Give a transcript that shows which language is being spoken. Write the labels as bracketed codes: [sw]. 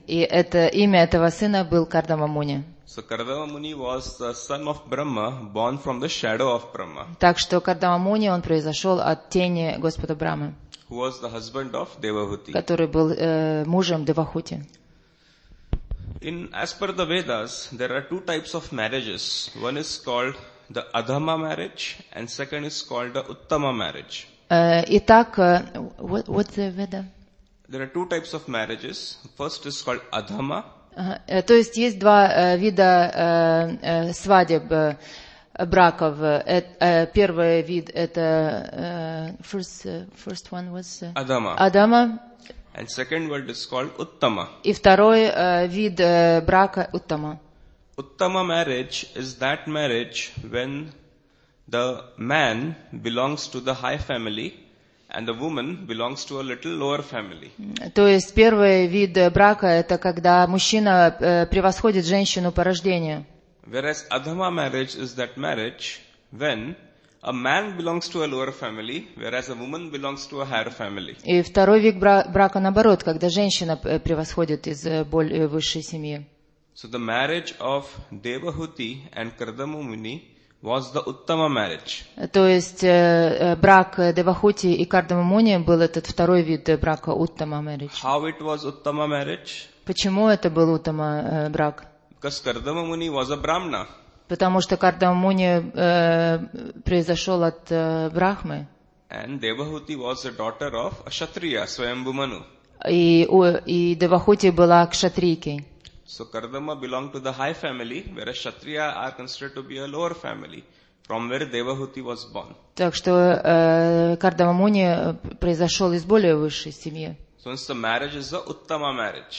[ru] И это имя этого сына был Кардама Муни. [en] So Kardama Muni was the son of Brahma, born from the shadow of Brahma. [ru] Так что Кардама Муни, он произошел от тени Господа Брахмы. [en] Who was the husband of Devahuti? [ru] Который был мужем Девахути. [en] In as per the Vedas, there are two types of marriages. One is called the Adhama marriage, and second is called the Uttama marriage. What's the Veda? There are two types of marriages. First is called Adhama. [ru] То есть есть два вида свадеб браков. Первый вид это [en] first one was Adhama. Adhama. And second word is called Uttama. [ru] И второй вид брака Uttama. [en] Uttama marriage is that marriage when the man belongs to the high family and the woman belongs to a little lower family. [ru] То есть первый вид брака это когда мужчина превосходит женщину по рождению. [en] Whereas Adhama marriage is that marriage when a man belongs to a lower family, whereas a woman belongs to a higher family. [ru] И второй вид брака наоборот, когда женщина превосходит из более высшей семьи. [en] So the marriage of Devahuti and Kardama Muni was the Uttama marriage. [ru] То есть брак Девахути и Кардама Муни был этот второй вид брака [en] Uttama marriage. How it was Uttama marriage? [ru] Почему это был Uttama брак? [en] Because Kardama Muni was a Brahmana. [ru] Потому что Кардама Муни произошел от Брахмы. [en] And Devahuti was the daughter of a Kshatriya, Swayambhu Manu. [ru] И Девахути была кшатрийкой. [en] So Kardama belonged to the high family, whereas Kshatriya are considered to be a lower family, from where Devahuti was born. [ru] Так что Кардама Муни произошел из более высшей семьи. [en] So the marriage is the Uttama marriage.